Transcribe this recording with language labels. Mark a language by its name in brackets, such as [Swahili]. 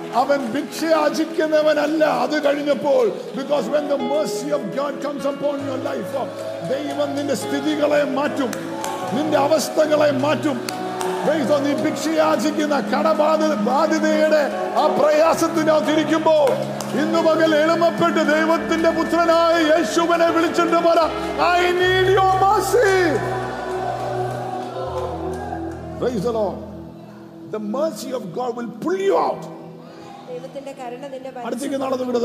[Malayalam] അവൻ ഭിക്ഷയാചിക്കുന്നവനല്ല അത് കഴിഞ്ഞപ്പോൾ. [English] Because when the mercy of God comes upon your life, [Malayalam] ദൈവം നിന്റെ സ്ഥിതികളെ മാറ്റും, നിന്റെ അവസ്ഥകളെ മാറ്റും. Praise on. നീ ഭിക്ഷയാചിക്കുന്ന കടബാധിതയുടെ ആ പ്രയാസത്തിനകത്ത് ഇരിക്കുമ്പോ ഇന്ന് പകൽ എളുപ്പപ്പെട്ട് ദൈവത്തിന്റെ പുത്രനായ യേശുവിനെ വിളിച്ചിട്ട് പറ, [English] I need your mercy. Praise the Lord. The mercy of God will pull you out. [Malayalam] ദൈവത്തിന്റെ കരുണ നിന്നെ വലിച്ചു അടുത്തേക്ക് നടന്നു വിടും.